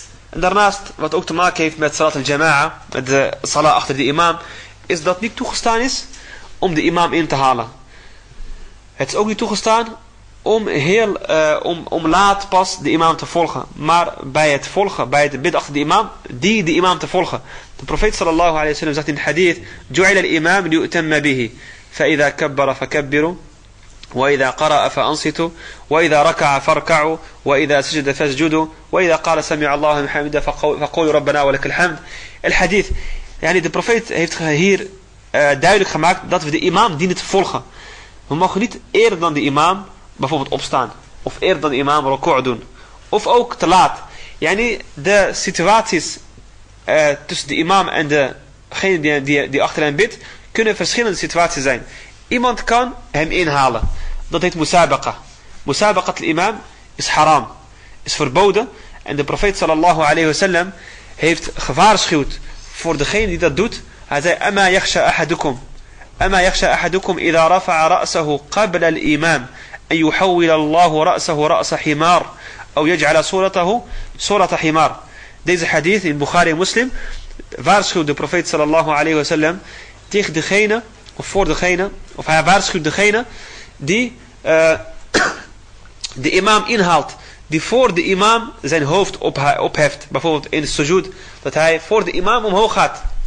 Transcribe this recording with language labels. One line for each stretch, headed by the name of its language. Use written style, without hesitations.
Dutch: En daarnaast, wat ook te maken heeft met Salat al-Jama'a, met de Salat achter de imam, is dat niet toegestaan is om de imam in te halen. Het is ook niet toegestaan om om laat pas de imam te volgen. Maar bij het volgen, bij het bidden achter de imam, die de imam te volgen. De profeet sallallahu alayhi wa sallam zegt in de hadith,
Arabic: جُعِلَ الْإِمَامِ لِيُؤْتَمَّ بِهِ فَإِذَا كَبَّرَ فَكَبِّرُوا وَإِذَا قَرَأَ فَأَنْصِتُوا وَإِذَا رَكَعَ فَارْكَعُوا وَإِذَا سَجَدَ فَاسْجُدُوا وَإِذَا قَالَ سَمِعَ اللَّهُ لِمَنْ حَمِدَهُ فَقُولُوا رَبَّنَا وَلَكَ الْحَمْدُ.
Dutch: El hadith, yani de profeet heeft hier duidelijk gemaakt dat we de imam dienen te volgen. We mogen niet eerder dan de imam bijvoorbeeld opstaan. Of eerder dan de imam rokoor doen. Of ook te laat. Yani de situaties tussen de imam en degene die achter hem bidt, kunnen verschillende situaties zijn. Iemand kan hem inhalen. Dat heet musabaqa. Musabaqa de imam is haram. Is verboden. En de profeet sallallahu alayhi wa sallam heeft gewaarschuwd voor degene die dat doet. Hij zei,
Arabic: amma yakhsha ahadukum. أما يخشى أحدكم إذا رفع رأسه قبل الإمام أن يحول الله رأسه رأس حمار أو يجعل صورته صورة حمار.
Dutch: Deze hadith in Bukhari Muslim waarschuwt de profeet sallallahu alayhi wa sallam tegen degene of voor degene of hij waarschuwt degene die de imam inhaalt, die voor de imam zijn hoofd opheft, bijvoorbeeld in het sujud, dat hij voor de imam omhoog gaat.